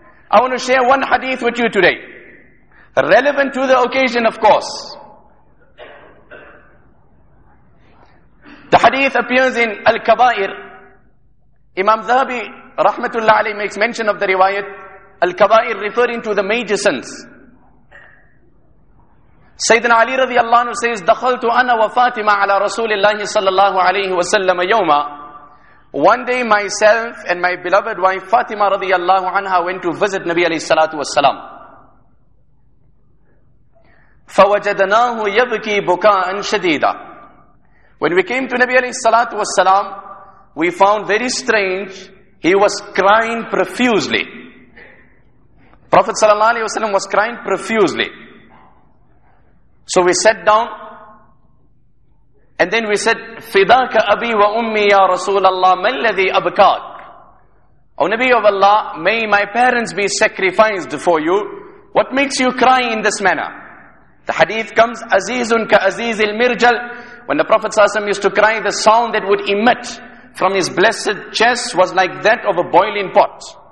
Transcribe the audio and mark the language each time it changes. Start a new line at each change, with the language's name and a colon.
English: I want to share one hadith with you today, relevant to the occasion, of course. The hadith appears in Al-Kabair. Imam Zahabi, rahmatullah alayhi, makes mention of the riwayat, Al-Kabair, referring to the major sins. Sayyidina Ali radiallahu anhu says,
Arabic: دَخَلْتُ أَنَا وَفَاتِمَا عَلَىٰ رَسُولِ اللَّهِ صَلَى اللَّهُ عَلَيْهِ وَسَلَّمَ يَوْمًا.
English: One day myself and my beloved wife Fatima radiallahu anha went to visit Nabi alayhi salatu wasalam.
Arabic: فَوَجَدَنَاهُ يَبْكِي بُكَاءً شَدِيدًا.
English: When we came to Nabi alayhi salatu wasalam, we found very strange, he was crying profusely. Prophet sallallahu alayhi wasalam was crying profusely. So we sat down. And then we said,
Arabic: فِدَاكَ أَبِي وَأُمِّي يَا رَسُولَ اللَّهِ مَا الَّذِي أَبْكَاكَ.
English: O Nabi of Allah, may my parents be sacrificed for you. What makes you cry in this manner? The hadith comes, Azizun ka Aziz al Mirjal. When the Prophet ﷺ used to cry, the sound that would emit from his blessed chest was like that of a boiling pot.